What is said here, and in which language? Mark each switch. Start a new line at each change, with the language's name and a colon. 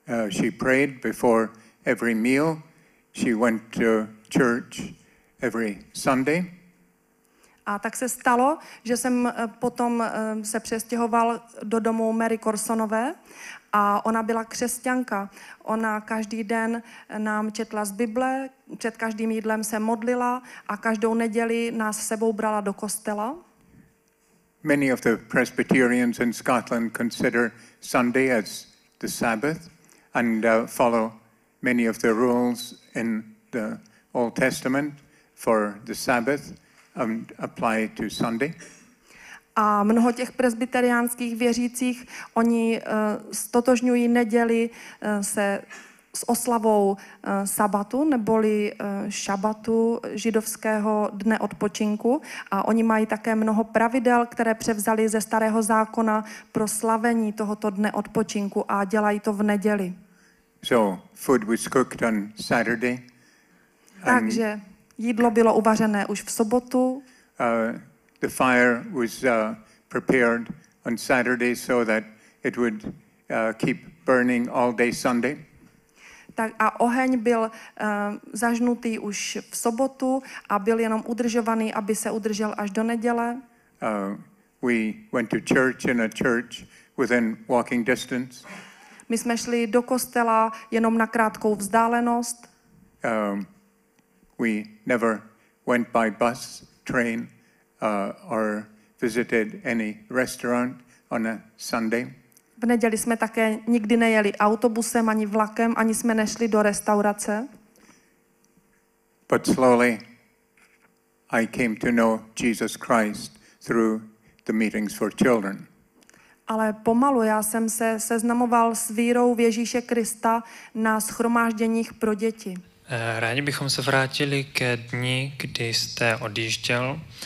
English: She prayed before every meal. She went to church every Sunday.
Czech: A tak se stalo, že jsem potom se přestěhoval do domu Mary Carsonové a ona byla křesťanka. Ona každý den nám četla z Bible, před každým jídlem se modlila a každou neděli nás sebou brala do kostela.
English: Many of the Presbyterians in Scotland consider Sunday as the Sabbath and follow many of the rules in the Old Testament for the Sabbath and apply to Sunday.
Czech: A mnoho těch presbyteriánských věřících, oni stotožňují neděli se s oslavou sabatu, neboli šabatu, židovského dne odpočinku. A oni mají také mnoho pravidel, které převzali ze Starého zákona pro slavení tohoto dne odpočinku a dělají to v neděli.
English: So, food was cooked on Saturday.
Czech: Takže jídlo bylo uvařené už v sobotu.
English: The fire was prepared on Saturday so that it would keep burning all day Sunday.
Czech: Tak a oheň byl zažnutý už v sobotu a byl jenom udržovaný, aby se udržel až do neděle.
English: We went to church in a church within walking distance.
Czech: My jsme šli do kostela jenom na krátkou vzdálenost.
English: We never went by bus, train, or visited any restaurant on a Sunday.
Czech: V neděli jsme také nikdy nejeli autobusem ani vlakem, ani jsme nešli do restaurace.
English: But slowly I came to know Jesus Christ through the meetings for children.
Czech: Ale pomalu já jsem se seznamoval s vírou v Ježíše Krista na shromážděních pro děti. Rádi bychom se vrátili ke dni, kdy jste odjížděl.